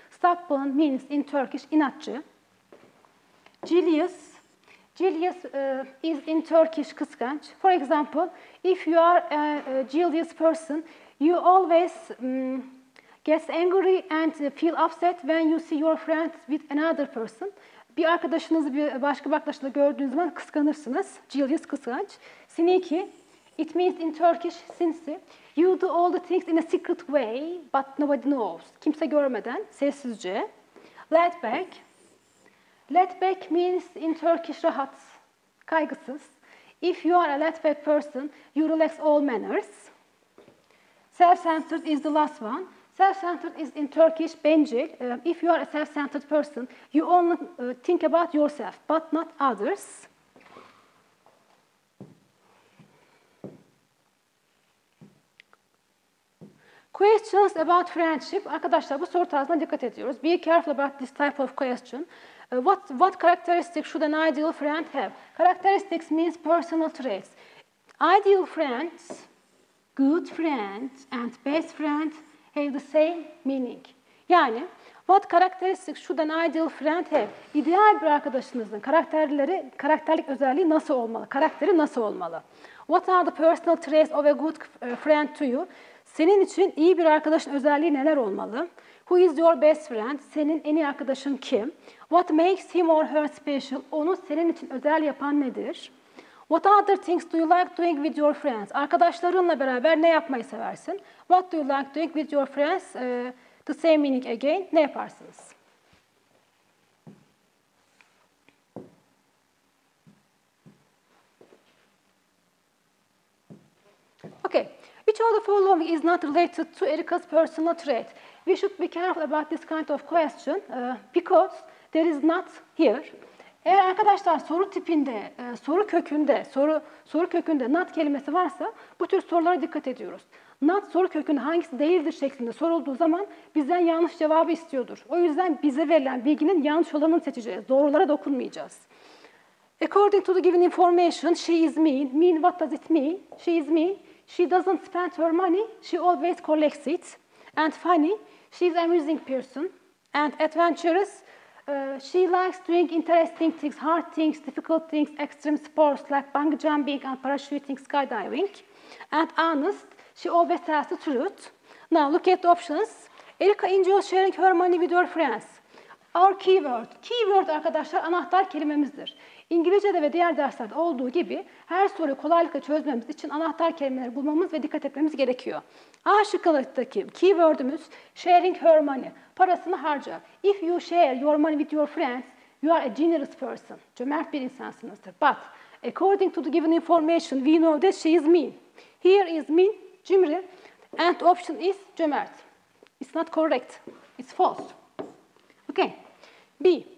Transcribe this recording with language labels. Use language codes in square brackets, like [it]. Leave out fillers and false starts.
[en] Stubborn means in Turkish, inatçı. Jealous. Jealous is in Turkish, kıskanç. For example, if you are a jealous person, you always... gets angry and feel upset when you see your friend with another person. [tr] Bir arkadaşınızı başka bir arkadaşla gördüğünüz zaman kıskanırsınız. [en] Jealous, kıskanç. Sneaky, it means in Turkish, sinsi. You do all the things in a secret way, but nobody knows. [tr] Kimse görmeden, sessizce. [en] Laid back. Laid back means in Turkish, [tr] rahat, kaygısız. [en] If you are a laid back person, you relax all manners. Self-centered is the last one. Self-centered is in Turkish, bencil. If you are a self-centered person, you only think about yourself, but not others. Questions about friendship. [tr] Arkadaşlar, bu soru tarzına dikkat ediyoruz. [en] Be careful about this type of question. What characteristics should an ideal friend have? Characteristics means personal traits. Ideal friends, good friends and best friends have the same meaning. [tr] Yani, [en] what characteristics should an ideal friend have? [tr] İdeal bir arkadaşınızın karakterlik özelliği nasıl olmalı? Karakteri nasıl olmalı? [en] What are the personal traits of a good friend to you? [tr] Senin için iyi bir arkadaşın özelliği neler olmalı? [en] Who is your best friend? [tr] Senin en iyi arkadaşın kim? [en] What makes him or her special? [tr] Onu senin için özel yapan nedir? [en] What other things do you like doing with your friends? [tr] Arkadaşlarınla beraber ne yapmayı seversin? [en] What do you like doing with your friends? The same meaning again. [tr] Ne yaparsınız? [en] Okay. Which of the following is not related to Erika's personal trait? We should be careful about this kind of question because there is not here. [tr] Eğer arkadaşlar soru tipinde, soru kökünde not kelimesi varsa bu tür sorulara dikkat ediyoruz. Not soru kökünde hangisi değildir şeklinde sorulduğu zaman bizden yanlış cevabı istiyordur. O yüzden bize verilen bilginin yanlış olanını seçeceğiz. Doğrulara dokunmayacağız. [en] According to the given information, she is mean. Mean, what does it mean? She is mean. She doesn't spend her money. She always collects it. And funny, she is an amusing person. And adventurous, she likes doing interesting things, hard things, difficult things, extreme sports like bungee jumping and parachuting, skydiving. And honest, she always tells the truth. Now look at the options. Erica enjoys sharing her money with her friends. Our keyword. [tr] Keyword arkadaşlar anahtar kelimemizdir. İngilizce'de ve diğer derslerde olduğu gibi her soruyu kolaylıkla çözmemiz için anahtar kelimeleri bulmamız ve dikkat etmemiz gerekiyor. A şıkkındaki keyword'ümüz [en] sharing her money, [tr] parasını harca. [en] If you share your money with your friends, you are a generous person. [tr] Cömert bir insansınızdır. [en] But according to the given information, we know that she is mean. Here is mean, cimri. And the option is cömert. It's not correct. It's false. Okay. B.